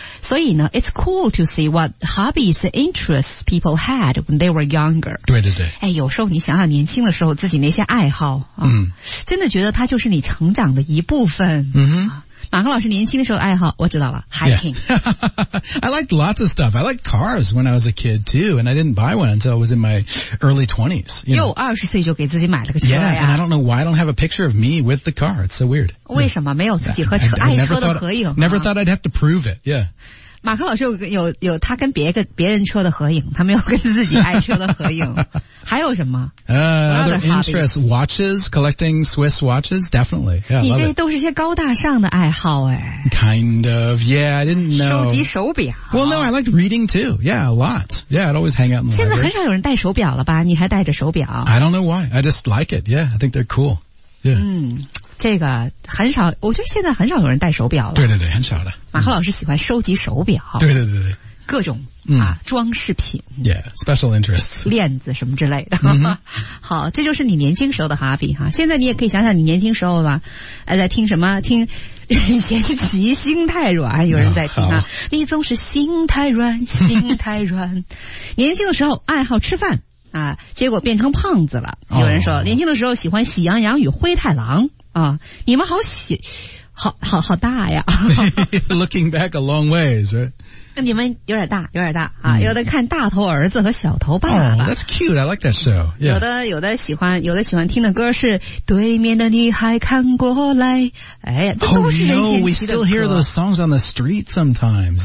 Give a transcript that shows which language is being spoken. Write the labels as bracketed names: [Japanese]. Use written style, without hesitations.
[English] 所以呢 It's cool to see what hobbies and interests people had when they were younger [Chinese] 对对对、哎、有时候你想想年轻的时候自己那些爱好、真的觉得它就是你成长的一部分马克老师年轻的时候爱好我知道了 hiking、 [English] I liked lots of stuff I liked cars when I was a kid too and I didn't buy one until I was in my early 20s you know? [Chinese] 又20岁就给自己买了个车呀 [English] yeah and I don't know why I don't have a picture of me with the car it's so weird [Chinese] 为什么没有自己和车爱车的合影 [English] never thought I'd have to prove it yeah [Chinese] 马克老师有他跟别人车的合影他没有跟自己爱车的合影还有什么 [English] other interests watches collecting Swiss watches definitely yeah, [Chinese] 你这都是些高大上的爱好、 [English] kind of yeah I didn't know [Chinese] 收集手表 [English] well no I like reading too yeah a lot yeah I'd always hang out in the [Chinese] 现在很少有人戴手表了吧你还戴着手表 [English] I don't know why I just like it yeah I think they're cool [Chinese] 这个很少我觉得现在很少有人戴手表了对对对很少的马克老师喜欢收集手表对对对对各种啊装饰品 [English] yeah special interests [Chinese] 链子什么之类的、好这就是你年轻时候的 hobby 哈现在你也可以想想你年轻时候吧在听什么听任贤齐心太软有人在听啊你总是心太软年轻的时候爱好吃饭啊结果变成胖子了有人说年轻的时候喜欢喜羊羊与灰太狼啊你们好喜好大呀 [English] Looking back a long ways, right? [Chinese] 你们有点大啊、mm. 有的看大头儿子和小头爸爸。 [English] Oh, that's cute. I like that show. Yeah. [Chinese] 有的喜欢听的歌是对面的女孩看过来。哎，这都是人嫌弃的歌。 [English] Oh, no, we still hear those songs on the street sometimes.